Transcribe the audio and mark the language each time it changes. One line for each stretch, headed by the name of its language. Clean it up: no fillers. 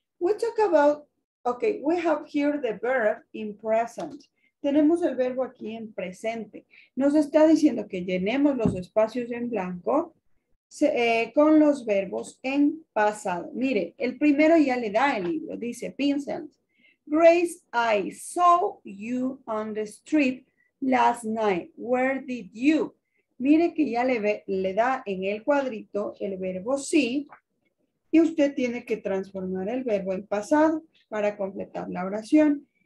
English: We talk about, okay, we have here the verb in present.
Spanish: Tenemos el verbo aquí en presente. Nos está diciendo que llenemos los espacios en blanco con los verbos en pasado. Mire, el primero ya le da el libro.
English: Dice, Vincent, Grace, I saw you on the street last night. Where did you?
Spanish: Mire que ya le da en el cuadrito el verbo see. Y usted tiene que transformar el verbo en pasado para completar la oración.